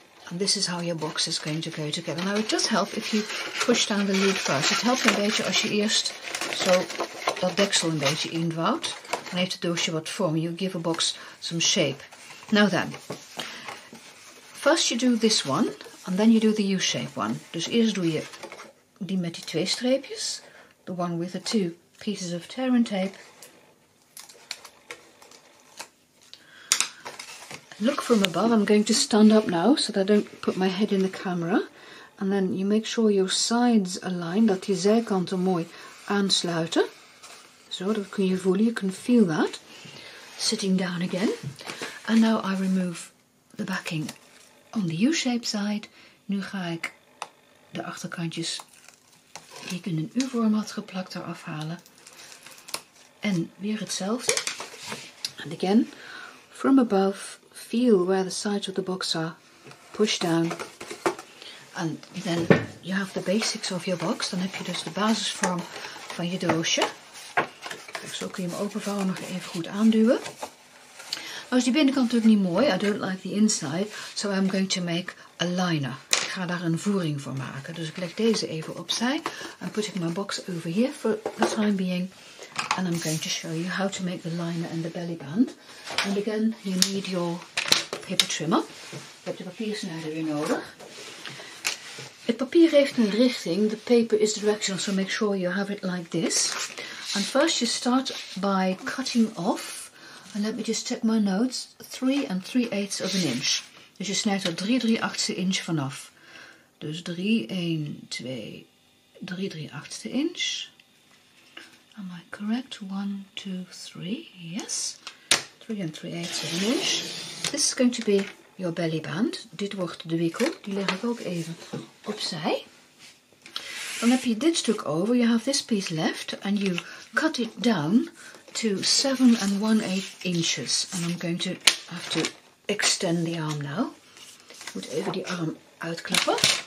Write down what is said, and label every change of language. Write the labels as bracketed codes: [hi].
[en] And this is how your box is going to go together. Now it does help if you push down the lid first. [nl] Het helpt een beetje als je eerst zo dat deksel een beetje invouwt. Dan heeft het doosje wat vorm. [en] You give a box some shape. Now then. First you do this one. And then you do the U-shape one. [nl] Dus eerst doe je die met die twee streepjes. [en] The one with the two pieces of tear and tape. Look from above. I'm going to stand up now. So that I don't put my head in the camera. And then you make sure your sides align. [nl] Dat die zijkanten mooi aansluiten. Zo, dat kun je voelen. [en] You can feel that. Sitting down again. And now I remove the backing on the U-shape side. [nl] Nu ga ik de achterkantjes die ik in een U-vorm had geplakt eraf halen. En weer hetzelfde. [en] And again, from above, feel where the sides of the box are. Push down. And then you have the basics of your box. [nl] Dan heb je dus de basisvorm van je doosje. Zo kun je hem openvouwen en nog even goed aanduwen. Nou is die binnenkant natuurlijk niet mooi. [en] I don't like the inside. So I'm going to make a liner. [nl] Ik ga daar een voering voor maken. Dus ik leg deze even opzij. [en] I'm putting my box over here for the time being. And I'm going to show you how to make the liner and the belly band. And again, you need your paper trimmer. [nl] Je hebt de papiersnijder weer nodig. Het papier heeft een richting. [en] The paper is directional, so make sure you have it like this. And first you start by cutting off. And let me just check my notes. [nl] 3 3/8 inch. Dus je snijdt er 3 3/8 inch vanaf. [en] Dus 3 1 2 3 3/8 inch. Am I correct? 1 2 3. Yes. 3 3/8 inch. This is going to be your belly band. [nl] Dit wordt de wikkel. Die leg ik ook even opzij. Dan heb je dit stuk over. [en] You have this piece left. And you cut it down to 7 1/8 inches. And I'm going to have to extend the arm now. [nl] Ik moet even die arm uitklappen.